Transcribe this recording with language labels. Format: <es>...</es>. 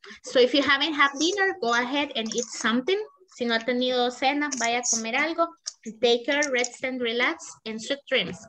<en>So if you haven't had dinner, go ahead and eat something.</en> <es>Si no ha tenido cena, vaya a comer algo.</es> <en>Take care, rest and relax, and sweet dreams.</en>